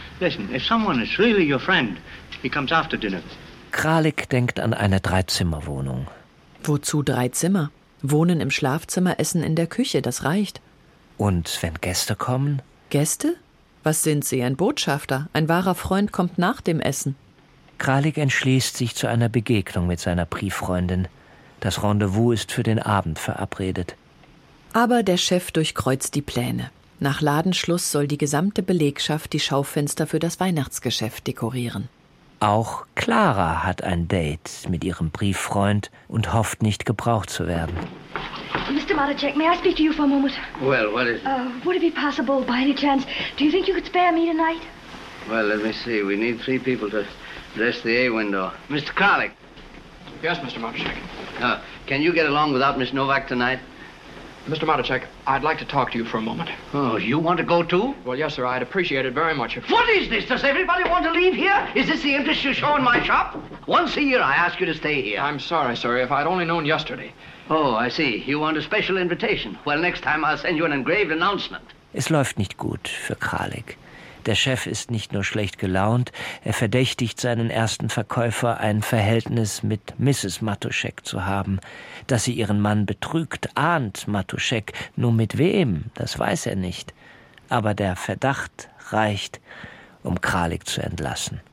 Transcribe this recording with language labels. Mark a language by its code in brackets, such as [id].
[en] Listen, if someone is really your friend, he comes after dinner. [de] Kralik denkt an eine Dreizimmerwohnung. Wozu drei Zimmer? Wohnen im Schlafzimmer, essen in der Küche, das reicht. Und wenn Gäste kommen? Gäste? Was sind sie, ein Botschafter? Ein wahrer Freund kommt nach dem Essen. Kralik entschließt sich zu einer Begegnung mit seiner Brieffreundin. Das Rendezvous ist für den Abend verabredet. Aber der Chef durchkreuzt die Pläne. Nach Ladenschluss soll die gesamte Belegschaft die Schaufenster für das Weihnachtsgeschäft dekorieren. Auch Clara hat ein Date mit ihrem Brieffreund und hofft nicht gebraucht zu werden. [en] Mr. Malacek, may I speak to you for a moment? Well, what is it? Would it be possible, by any chance, do you think you could spare me tonight? Well, let me see. We need three people to dress the A window. Mr. Kralik. Yes, Mr. Malacek. Can you get along without Miss Novak tonight? Mr. Malacek, I'd like to talk to you for a moment. Oh, you want to go too? Well, yes, sir. I'd appreciate it very much if... What is this? Does everybody want to leave here? Is this the interest you show in my shop? Once a year, I ask you to stay here. I'm sorry, sir. If I'd only known yesterday... Oh, I see. You want a special invitation. Well, next time I'll send you an engraved announcement. [de] Es läuft nicht gut für Kralik. Der Chef ist nicht nur schlecht gelaunt, er verdächtigt seinen ersten Verkäufer, ein Verhältnis mit Mrs. Matuschek zu haben. Dass sie ihren Mann betrügt, ahnt Matuschek. Nur mit wem, das weiß er nicht. Aber der Verdacht reicht, um Kralik zu entlassen.